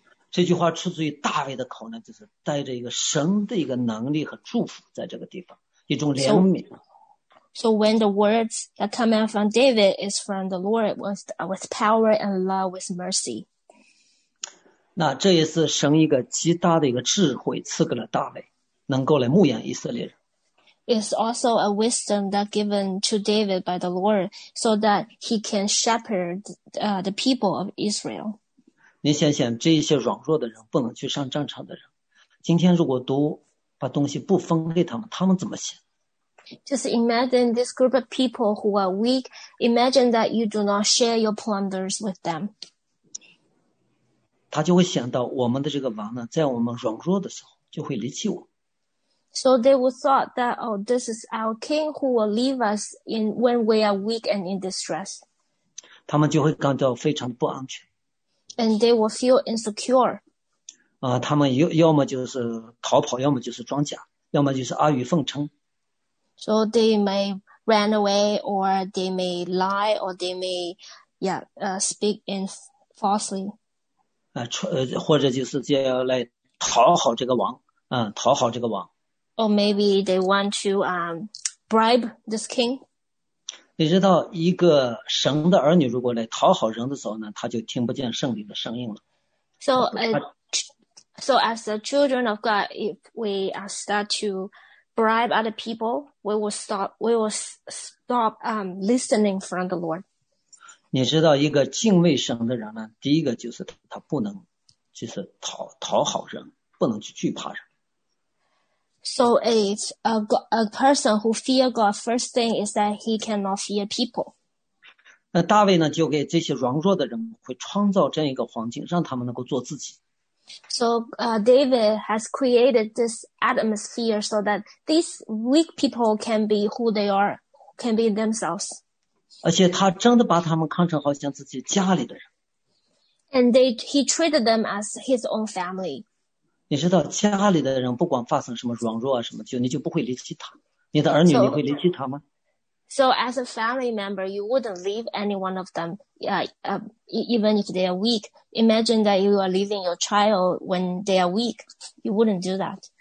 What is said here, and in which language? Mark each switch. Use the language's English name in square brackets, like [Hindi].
[Chinese] 这句话出自于大卫的口呢，就是带着一个神的一个能力和祝福在这个地方，一种怜悯。 [English] So when the words that come out from David is from the Lord with power and love with mercy. [Chinese] 那这也是神一个极大的一个智慧赐给了大卫，能够来牧养以色列人。 [English] It's also a wisdom that given to David by the Lord so that he can shepherd the people of Israel. [Chinese] 你想想这些软弱的人不能去上战场的人，今天如果都把东西不分给他们，他们怎么想？ [English] Just imagine this group of people who are weak. Imagine that you do not share your plunders with them. [Chinese] 他就会想到我们的这个王呢，在我们软弱的时候就会离弃我。 [English] So they would thought that, oh, this is our king who will leave us in when we are weak and in distress. [Chinese] 他们就会感到非常不安全。 [English] And they will feel insecure. [Chinese] 他们要么就是逃跑，要么就是装甲，要么就是阿谀奉承。 [English] So they may run away, or they may lie, or they may, speak in falsely. [Chinese] 或者就是就要来讨好这个王，讨好这个王。 [English] Or maybe they want to bribe this king. [Chinese] 你知道一个神的儿女如果来讨好人的时候呢，他就听不见圣灵的声音了。 [English] So as the children of God, if we start to bribe other people, we will stop listening from the Lord. [Chinese] 你知道一个敬畏神的人呢，第一个就是他不能就是讨好人，不能去惧怕人。 [English] So it's a person who fear God, first thing is that he cannot fear people. [Chinese] 那大卫呢就给这些软弱的人会创造这样一个环境，让他们能够做自己。 [English] So David has created this atmosphere so that these weak people can be who they are, can be themselves. [Chinese] 而且他真的把他们看成好像自己家里的人。 [English] And he treated them as his own family. [Chinese] 你知道家里的人不管发生什么软弱啊什么，就你就不会离弃他，你的儿女你会离弃他吗？ [English] So as a family member, you wouldn't leave any one of them, even if they are weak. Imagine that you are leaving your child when they are weak, you wouldn't do that.